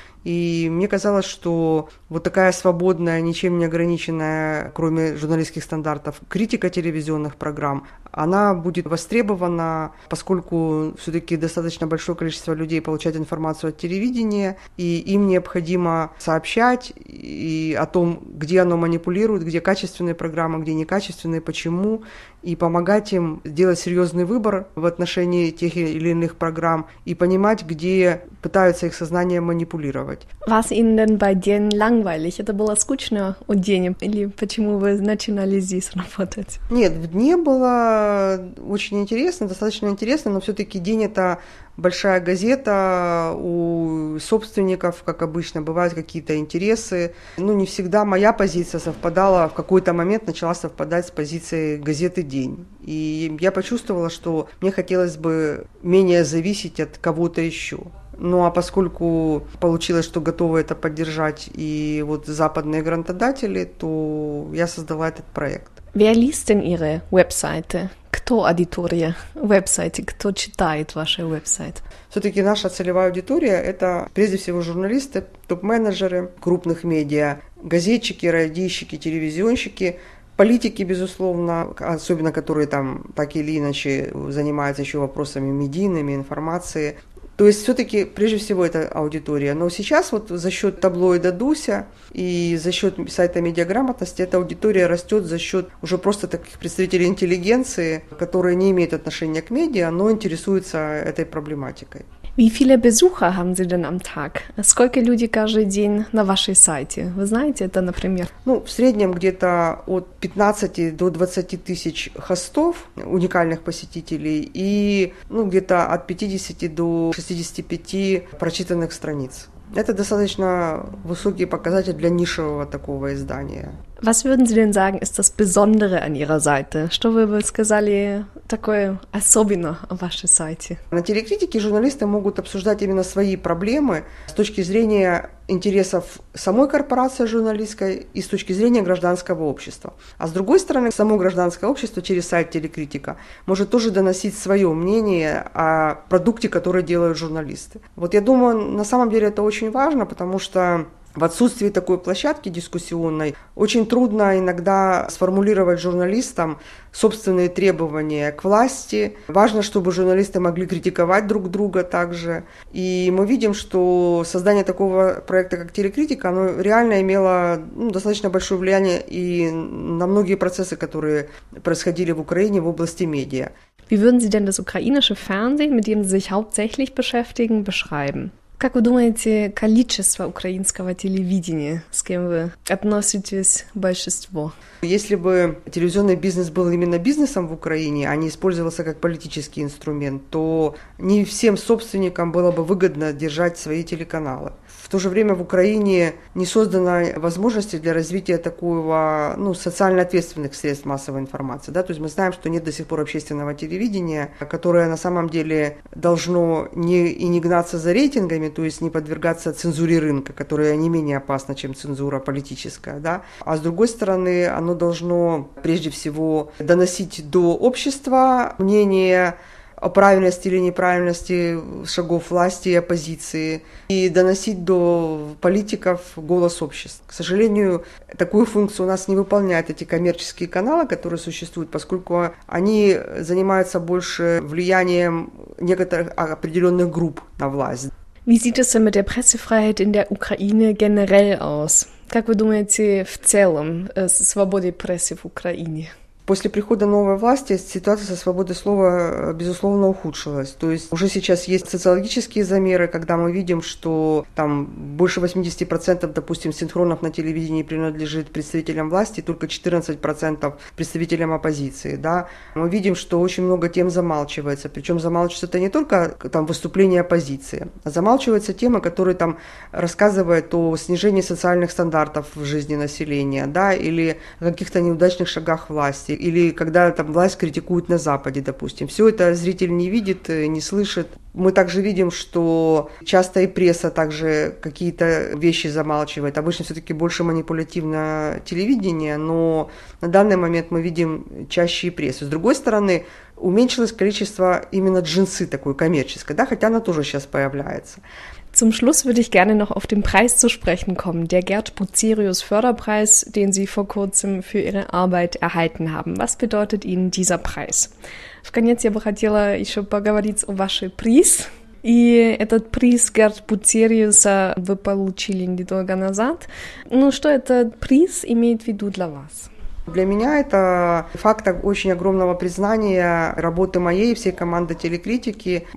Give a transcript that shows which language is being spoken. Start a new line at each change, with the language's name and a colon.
Russian: И мне казалось, что вот такая свободная, ничем не ограниченная, кроме журналистских стандартов, критика телевизионных программ, она будет востребована, поскольку все-таки достаточно большое количество людей получает информацию от телевидения, и им необходимо сообщать и о том, где оно манипулирует, где качественные программы, где некачественные, почему, и помогать им делать серьезный выбор в отношении тех или иных программ и понимать, где пытаются их сознание манипулировать.
German: Was Ihnen denn bei denen langweilig?
Russian: Это было скучно у Дени? Или почему вы начинали здесь работать? Нет, в Дне было очень интересно, достаточно интересно, но все-таки День – это большая газета, у собственников, как обычно, бывают какие-то интересы. Ну, не всегда моя позиция совпадала, в какой-то момент начала совпадать с позицией газеты «День». И я почувствовала, что мне хотелось бы менее зависеть от кого-то еще. Ну а поскольку получилось, что готовы это поддержать и вот западные грантодатели, то я создала этот проект.
German: Wer liest denn Ihre Webseite?
Russian: Кто аудитория вебсайта? Кто читает ваши вебсайты? Все-таки наша целевая аудитория – это прежде всего журналисты, топ-менеджеры крупных медиа, газетчики, радийщики, телевизионщики, политики, безусловно, особенно которые там так или иначе занимаются еще вопросами медийными, информации. То есть все-таки прежде всего это аудитория. Но сейчас вот за счет таблоида Дуся и за счет сайта «Медиаграмотность» эта аудитория растет за счет уже просто таких представителей интеллигенции, которые не имеют отношения к медиа, но интересуются этой проблематикой.
German: Wie viele Besucher haben Sie denn am Tag?
Russian: Сколько людей каждый день на вашей сайте? Вы знаете это, например? Ну, в среднем где-то от 15 до 20 тысяч хостов, уникальных посетителей, и ну, где-то от 50 до 65 прочитанных страниц. Это достаточно высокий показатель для нишевого такого издания.
German: Was würden Sie denn sagen, ist das Besondere an Ihrer Seite?
Russian: Что вы бы сказали такое особенно о вашей сайте? На телекритике журналисты могут обсуждать именно свои проблемы с точки зрения интересов самой корпорации журналистской и с точки зрения гражданского общества. А с другой стороны, само гражданское общество через сайт «Телекритика» может тоже доносить свое мнение о продукте, который делают журналисты. Вот я думаю, на самом деле это очень важно, потому что в отсутствии такой площадки дискуссионной очень трудно иногда сформулировать журналистам собственные требования к власти. Важно, чтобы журналисты могли критиковать друг друга также. И мы видим, что создание такого проекта, как «Телекритика», оно реально имело достаточно большое влияние и на многие процессы, которые происходили в Украине в области медиа.
German: Wie würden Sie denn das ukrainische Fernsehen, mit dem Sie sich hauptsächlich beschäftigen, beschreiben?
Russian: Как вы думаете, количество украинского телевидения, с кем вы относитесь большинство? Если бы телевизионный бизнес был именно бизнесом в Украине, а не использовался как политический инструмент, то не всем собственникам было бы выгодно держать свои телеканалы. В то же время в Украине не создано возможности для развития такого, ну, социально ответственных средств массовой информации. Да? То есть мы знаем, что нет до сих пор общественного телевидения, которое на самом деле должно не, и не гнаться за рейтингами, то есть не подвергаться цензуре рынка, которая не менее опасна, чем цензура политическая. Да? А с другой стороны, оно должно прежде всего доносить до общества мнение о правильности или неправильности шагов власти и оппозиции, и доносить до политиков голос общества. К сожалению, такую функцию у нас не выполняют эти коммерческие каналы, которые существуют, поскольку они занимаются больше влиянием некоторых определенных групп на власть.
German: Wie sieht es denn mit der Pressefreiheit in der Ukraine generell aus?
Russian: Как вы думаете, в целом, свободе прессы в Украине? После прихода новой власти ситуация со свободой слова, безусловно, ухудшилась. То есть уже сейчас есть социологические замеры, когда мы видим, что там больше 80%, допустим, синхронов на телевидении принадлежит представителям власти, только 14% представителям оппозиции. Да? Мы видим, что очень много тем замалчивается. Причем замалчивается это не только там, выступление оппозиции, а замалчиваются темы, которые там рассказывают о снижении социальных стандартов в жизни населения, да, или о каких-то неудачных шагах власти. Или когда там власть критикует на Западе, допустим. Все это зритель не видит, не слышит. Мы также видим, что часто и пресса также какие-то вещи замалчивает. Обычно все-таки больше манипулятивное телевидение, но на данный момент мы видим чаще и прессу. С другой стороны, уменьшилось количество именно джинсы такой коммерческой, да, хотя она тоже сейчас появляется.
German: Zum Schluss würde ich gerne noch auf den Preis zu sprechen kommen, der Gerd Bucerius Förderpreis, den Sie vor kurzem für Ihre Arbeit erhalten haben. Was bedeutet Ihnen dieser Preis?
Russian: В конец я бы хотела еще поговорить о вашей приз. И этот приз Герд Бутериуса вы получили недолго назад. Ну что этот приз имеет в виду для вас? Для меня это факт очень огромного признания работы моей и всей команды телекритики.